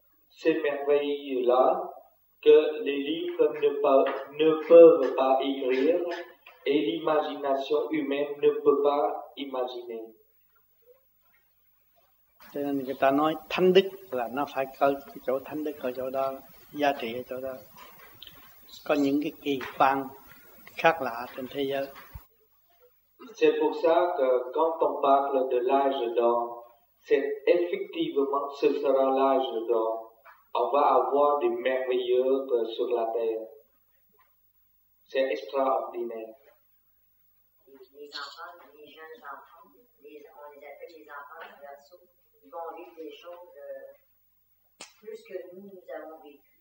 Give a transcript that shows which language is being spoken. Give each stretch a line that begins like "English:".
French: Ces merveilles-là que les livres ne peuvent pas écrire et l'imagination humaine ne peut pas imaginer.
Vietnamese: Cho nên người ta nói thánh đức là nó phải có cái chỗ thánh đức ở chỗ đó, giá trị ở chỗ đó. Có những cái kỳ quan khác lạ trên thế giới.
French: C'est pour ça que quand on parle de l'âge d'or, c'est effectivement ce sera l'âge d'or. On va avoir des merveilleux sur la terre. C'est extraordinaire. Les enfants, les jeunes enfants, on les appelle les enfants du Verseau, ils vont vivre des choses plus que nous avons vécu.